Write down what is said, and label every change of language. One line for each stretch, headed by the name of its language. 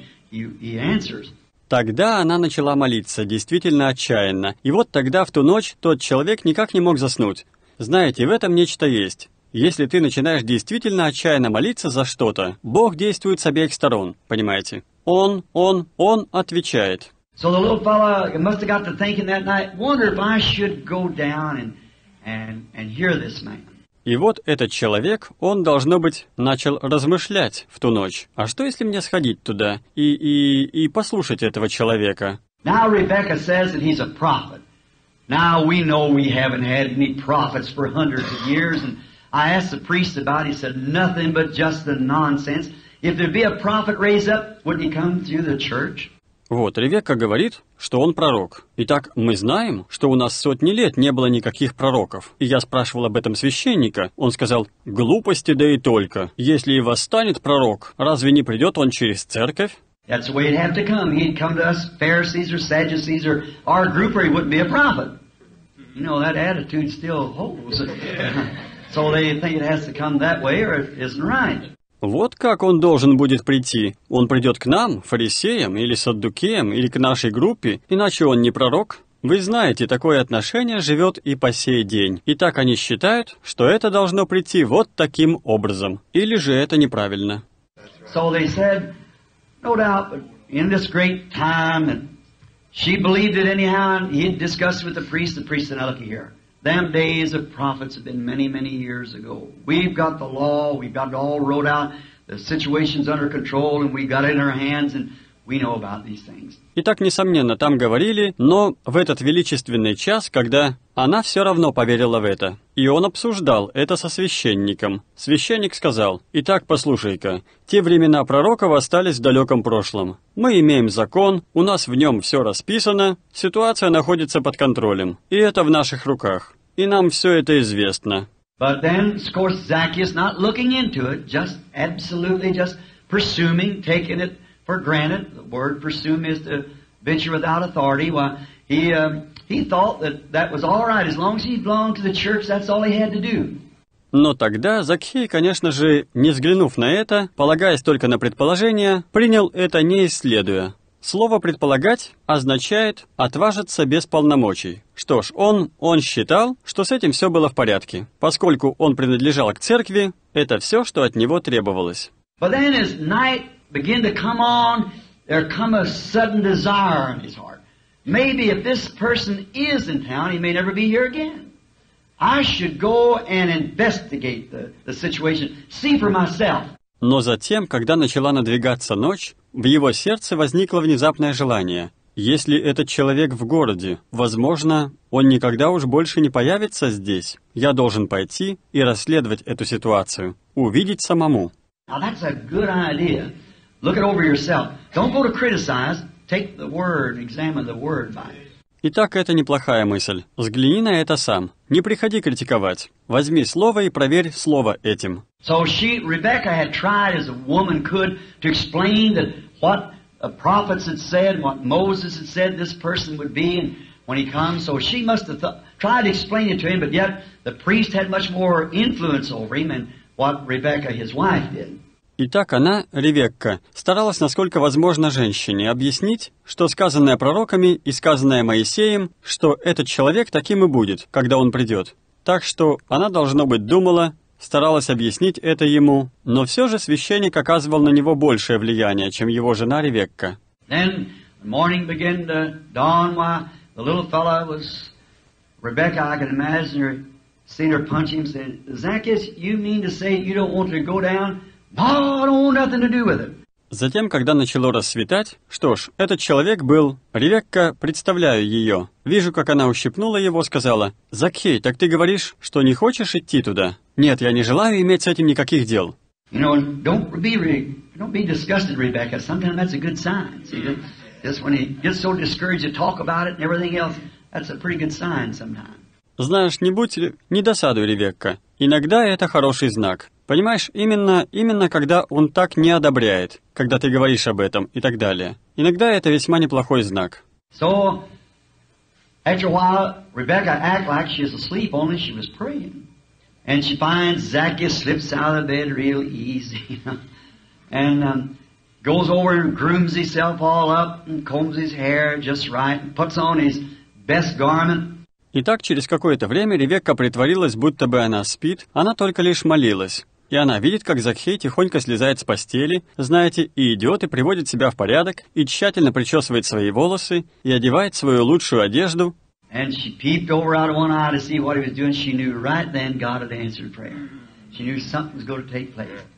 English: He answers.
Russian: Тогда она начала молиться, действительно отчаянно. И вот тогда, в ту ночь, тот человек никак не мог заснуть. Знаете, в этом нечто есть. Если ты начинаешь действительно отчаянно молиться за что-то, Бог действует с обеих сторон, понимаете? Он отвечает.
English: So the little fella must have got to thinking that night, wonder if I should go down and hear this man.
Russian: И вот этот человек, он, должно быть, начал размышлять в ту ночь. А что, если мне сходить туда и послушать этого человека?
English: Now Rebecca says that he's a prophet. Now we know we haven't had any prophets for hundreds of years. And I asked the priest about it. He said, nothing but just the nonsense. If there'd be a prophet raised up, wouldn't he come through the church?
Russian: Вот, Ревекка говорит, что он пророк. Итак, мы знаем, что у нас сотни лет не было никаких пророков. И я спрашивал об этом священника. Он сказал, глупости да и только. Если и восстанет пророк, разве не придет он через церковь?
English: That's the way he'd have to come. He'd come to us, Pharisees or Sadducees or our group, or he wouldn't be a prophet. You know, that attitude still holds. So they think it has to come that way or it isn't right.
Russian: Вот как он должен будет прийти. Он придет к нам, фарисеям, или саддукеям, или к нашей группе, иначе он не пророк. Вы знаете, такое отношение живет и по сей день. И так они считают, что это должно прийти вот таким образом. Или же это неправильно.
English: So they said, no doubt, but in this great time, and she believed it anyhow, and he had discussed with the priest said, look here. Them days of prophets have been many, many years ago. We've got the law, we've got it all wrote out, the situation's under control, and we've got it in our hands, and we know about these things.
Russian: Итак, несомненно, там говорили, но в этот величественный час, когда она все равно поверила в это, и он обсуждал это со священником. Священник сказал, «Итак, послушай-ка, те времена пророков остались в далеком прошлом. Мы имеем закон, у нас в нем все расписано, ситуация находится под контролем, и это в наших руках, и нам все это известно».
English: But then, of course, Zacchaeus not looking into it, just absolutely just presuming, taking it for granted, the word presume is to venture without authority. Well, he thought that was all right. As long as he belonged to the church, that's all he had to do.
Russian: Но тогда Закхей, конечно же, не взглянув на это, полагаясь только на предположение, принял это не исследуя. Слово «предполагать» означает «отважиться без полномочий». Что ж, он считал, что с этим все было в порядке. Поскольку он принадлежал к церкви, это все, что от него требовалось.
English: But then as night begin to come on, there come a sudden desire in his heart. Maybe if this person is in town, he may never be here again. I should go and investigate the situation, see for myself.
Russian: Но затем, когда начала надвигаться ночь, в его сердце возникло внезапное желание. Если этот человек в городе, возможно, он никогда уж больше не появится здесь. Я должен пойти и расследовать эту ситуацию, увидеть самому.
English: Now that's a good idea. Look it over yourself. Don't go to criticize. Take the word, examine the word by it.
Russian: Итак, это неплохая мысль. Взгляни на это сам. Не приходи критиковать. Возьми слово и проверь слово этим.
English: So she, Rebecca, had tried as a woman could to explain that what the prophets had said, what Moses had said this person would be, and when he comes. So she must have tried explaining it to him, but yet the priest had much more influence over him than what Rebecca, his wife, did.
Russian: Итак, она, Ревекка, старалась, насколько возможно, женщине объяснить, что сказанное пророками и сказанное Моисеем, что этот человек таким и будет, когда он придет. Так что она, должно быть, думала, старалась объяснить это ему, но все же священник оказывал на него большее влияние, чем его жена Ревекка.
English: Then morning began to dawn while the little fellow was Rebecca, I can imagine her seeing her punch him, saying, Zacchaeus, you mean to say you don't want to go down? No, I don't want nothing to do with it.
Russian: Затем, когда начало рассветать, что ж, этот человек был... Ревекка, представляю ее. Вижу, как она ущипнула его, сказала, «Закхей, так ты говоришь, что не хочешь идти туда?» «Нет, я не желаю иметь с этим никаких дел».
English: You know, don't be disgusted, Rebecca. Sometimes that's a good sign. See, just when he gets so discouraged to talk about it and everything else, that's a pretty good sign sometimes.
Russian: Знаешь, не будь... Не досадуй, Ревекка. Иногда это хороший знак. Понимаешь, именно когда он так не одобряет, когда ты говоришь об этом и так далее. Иногда это весьма неплохой знак.
English: So, after a while, Rebecca acts like she's asleep, only she was praying. And she finds Zacchaeus slips out of bed real easy. And goes over and grooms himself all up and combs his hair just right and puts on his best garment.
Russian: Итак, через какое-то время Ревекка притворилась, будто бы она спит, она только лишь молилась. И она видит, как Закхей тихонько слезает с постели, знаете, и идет, и приводит себя в порядок, и тщательно причесывает свои волосы, и одевает свою лучшую одежду.
English: And she peeped over out of one eye to see what he was doing. She knew right then God had answered prayer. She knew something was going to take place.